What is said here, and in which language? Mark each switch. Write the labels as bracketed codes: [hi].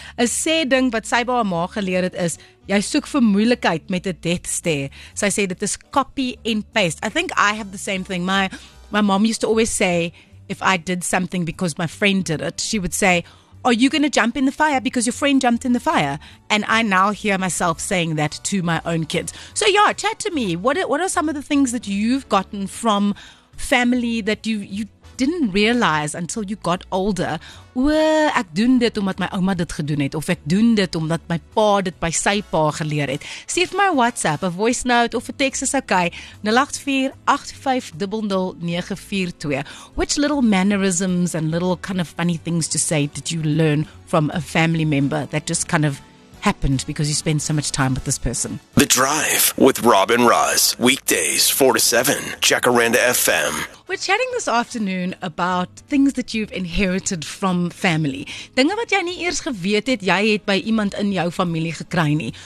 [af] 'N sê ding wat sy by haar ma geleer het is, jy soek vir moeilikheid met 'n death stare. Sy sê dit is [en] copy and paste. I think I have the same thing. My mom used to always say, if I did something because my friend did it, she would say, are you going to jump in the fire because your friend jumped in the fire? And I now hear myself saying that to my own kids. So yeah, chat to me. What are some of the things that you've gotten from family that you didn't realize until you got older? [af] Ek doen dit omdat my ouma dit gedoen het, of ek doen dit omdat my pa dit by sy pa geleer het. Stuur my [en] WhatsApp, a voice note of a text is okay. 084-8500-942. Which little mannerisms and little kind of funny things to say did you learn from a family member that just kind of happened because you spend so much time with this person? The Drive with Robin Ross, weekdays 4 to 7, Jacaranda FM. We're chatting this afternoon about things that you've inherited from family. [af] Dinge wat jy nie eers geweet het, jy het by iemand in jou familie gekry nie.